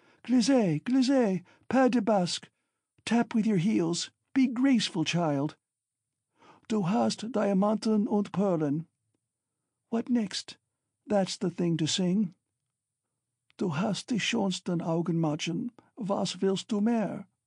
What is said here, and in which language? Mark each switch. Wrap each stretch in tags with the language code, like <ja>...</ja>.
<fr>Glisse, glisse, pas de basque!</fr> <en>Tap with your heels, be graceful, child!</en> <de>Du hast Diamanten und Perlen!</de> <en>What next? That's the thing to sing.</en> <de>Du hast die schönsten Augenmachen, was willst du mehr?</de>